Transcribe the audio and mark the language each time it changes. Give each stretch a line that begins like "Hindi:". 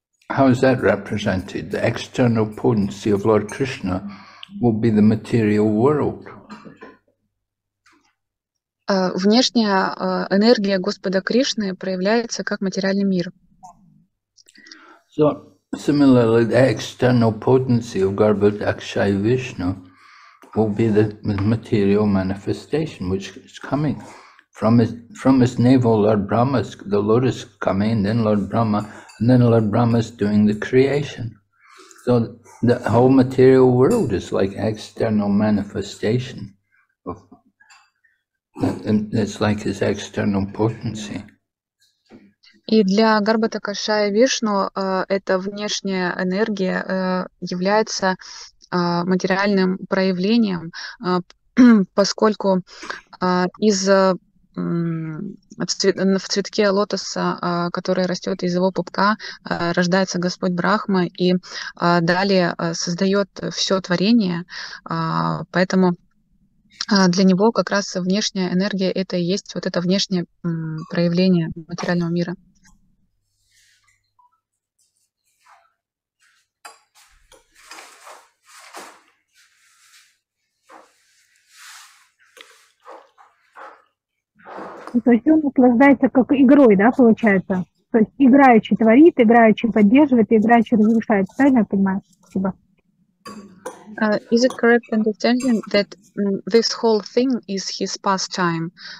English: How is that represented? The external potency of Lord Krishna will be the material world.
Russian: Внешняя энергия Господа Кришны проявляется как материальный мир.
English: So similarly, the external potency of Garbhadakshaya Vishnu will be the material manifestation which is coming From his navel, Lord Brahma's, the lotus coming, then Lord Brahma, and then Lord Brahma's doing the creation. So the whole material world is like external manifestation of, it's like his external potency.
Russian: И для Гарбата Кашая Вишну эта внешняя энергия является материальным проявлением, поскольку в цветке лотоса, который растет из его пупка, рождается Господь Брахма и далее создает все творение. Поэтому для него как раз внешняя энергия — это и есть вот это внешнее проявление материального мира. То есть он наслаждается как игрой, да, получается? То есть играючи творит, играючи поддерживает, играючи разрушает. Правильно я понимаю? Спасибо.
English: Is it correct understanding that this whole thing is his pastime?